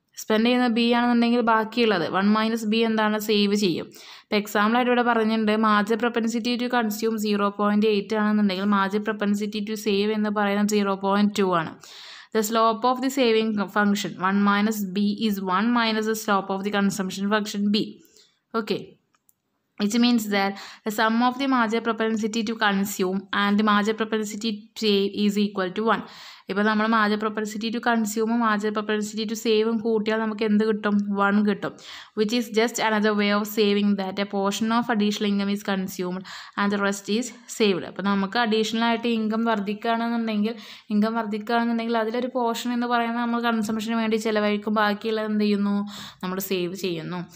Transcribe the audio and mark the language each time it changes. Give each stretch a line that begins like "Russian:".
Malayalam: Spend ചെയ്യുന്നത് B ആണെന്നുണ്ടെങ്കിൽ ബാക്കിയുള്ളത് 1 - B എന്താണ്? സേവ് ചെയ്യും. ഇപ്പോൾ എക്സാമ്പിളായിട്ട് ഇവിടെ പറഞ്ഞിട്ടുണ്ട് മാർജിൻ പ്രൊപ്പൻസിറ്റി ടു കൺസ്യൂം 0.8 ആണെന്നുണ്ടെങ്കിൽ മാർജിൻ പ്രൊപ്പൻസിറ്റി ടു സേവ് എന്ന് പറയുന്നത് 0.2 ആണ്.
English: The slope of the saving function 1 - B is 1 - the slope of the consumption function B. Okay, which means that the sum of the marginal propensity to consume and the marginal propensity to save is equal to 1.
Malayalam: ഇപ്പോൾ നമ്മൾ marginal propensity to കൺസ്യൂമും marginal propensity to സേവും കൂട്ടിയാൽ നമുക്ക് എന്ത് കിട്ടും? 1 കിട്ടും.
English: Which is just another way of saving that a portion of additional income is consumed and the rest is saved.
Malayalam: അപ്പോൾ നമുക്ക് അഡീഷണലായിട്ട് income വർദ്ധിക്കുകയാണെന്നുണ്ടെങ്കിൽ അതിലൊരു പോർഷൻ എന്ന് പറയുന്നത് നമ്മൾ കൺസംപ്ഷന് വേണ്ടി ചിലവഴിക്കും, ബാക്കിയുള്ളത് എന്ത് ചെയ്യുന്നു? നമ്മൾ സേവ് ചെയ്യുന്നു.